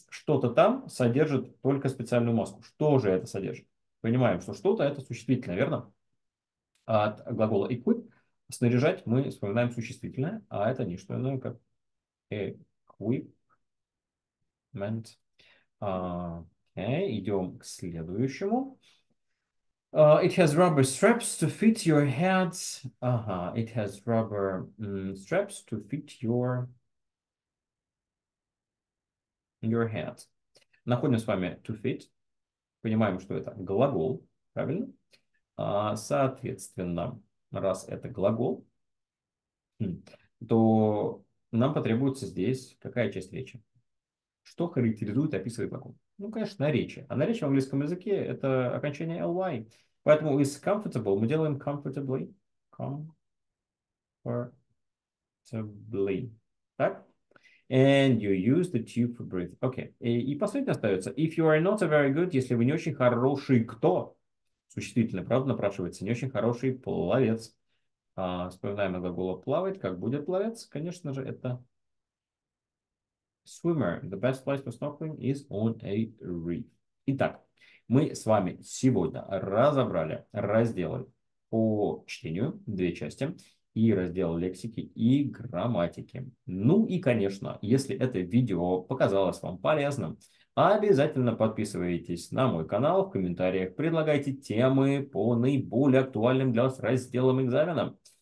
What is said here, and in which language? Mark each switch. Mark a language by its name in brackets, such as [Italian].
[Russian] Что-то там содержит только специальную маску. Что же это содержит? Понимаем, что что-то это существительное, верно? От глагола equip. Снаряжать мы вспоминаем существительное, а это не что иное, как equipment. Идем к следующему. [English] It has rubber straps to fit your heads. It has rubber straps to fit your head. [Russian] Находим с вами to fit. Понимаем, что это глагол, правильно? Соответственно, раз это глагол, то нам потребуется здесь какая часть речи? Что характеризует и описывает глагол? Ну, конечно, наречие. А наречие в английском языке – это окончание ly. Поэтому из comfortable мы делаем comfortably. Comfortably. Так? [English] And you use the tube for breathe. Okay. [Russian] И последнее остается. [English] If you are not a very good, [Russian] если вы не очень хороший, кто? Существительное, правда, напрашивается не очень хороший пловец. Вспоминаем глагол плавать. Как будет пловец? Конечно же, это swimmer. [English] The best place for snorkeling is on a reef. [Russian] Итак, мы с вами сегодня разобрали разделы по чтению, две части, и раздел лексики и грамматики. Ну и, конечно, если это видео показалось вам полезным, обязательно подписывайтесь на мой канал, в комментариях предлагайте темы по наиболее актуальным для вас разделам экзамена.